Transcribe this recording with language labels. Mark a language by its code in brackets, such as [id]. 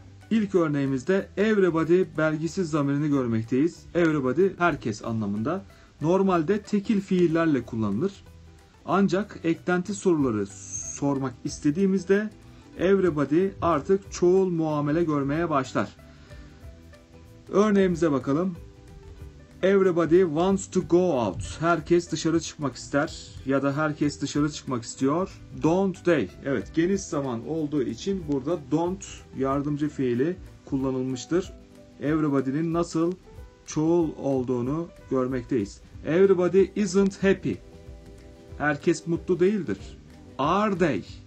[tr] İlk örneğimizde everybody belgisiz zamirini görmekteyiz. Everybody herkes anlamında. Normalde tekil fiillerle kullanılır. Ancak eklenti soruları sormak istediğimizde everybody artık çoğul muamele görmeye başlar. Örneğimize bakalım. [en] Everybody wants to go out. [tr] Herkes dışarı çıkmak ister ya da herkes dışarı çıkmak istiyor. [en] Don't they? [tr] Evet, geniş zaman olduğu için burada don't yardımcı fiili kullanılmıştır. Everybody'nin nasıl çoğul olduğunu görmekteyiz. [en] Everybody isn't happy. [tr] Herkes mutlu değildir. [en] Are they?